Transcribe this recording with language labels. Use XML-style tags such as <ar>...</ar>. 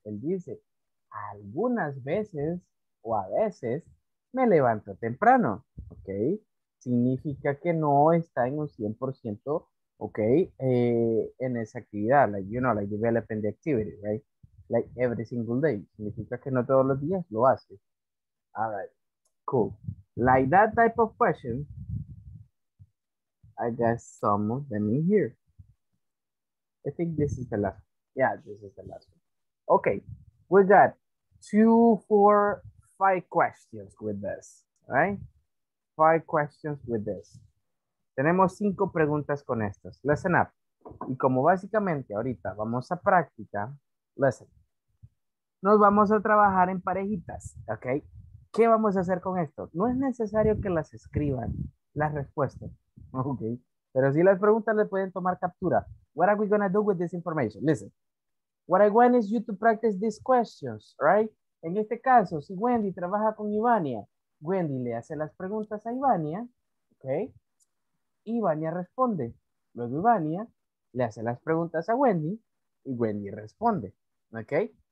<es>Él dice, algunas veces o a veces me levanto temprano. Ok, significa que no está en un 100%, ok, en esa actividad.</es> <en>Like, you know, like developing the activity, right? Like every single day.</en> <es>Significa que no todos los días lo hace.</es> <en>All right. Cool. Like that type of question, I guess some of them in here. I think this is the last one. Yeah, this is the last one. Okay, we got 2, 4, 5 questions with this, right? 5 questions with this. Tenemos 5 preguntas con estas. Listen up.</en> <es>Y como básicamente ahorita vamos a práctica, listen. Nos vamos a trabajar en parejitas, okay? ¿Qué vamos a hacer con esto? No es necesario que las escriban, las respuestas, ok. Pero si las preguntas le pueden tomar captura.</es> <en>What are we going to do with this information? Listen, what I want is you to practice these questions, right?</en> <es>En este caso, si Wendy trabaja con Ivania, Wendy le hace las preguntas a Ivania, ok. Ivania responde. Luego Ivania le hace las preguntas a Wendy y Wendy responde, ok.</es>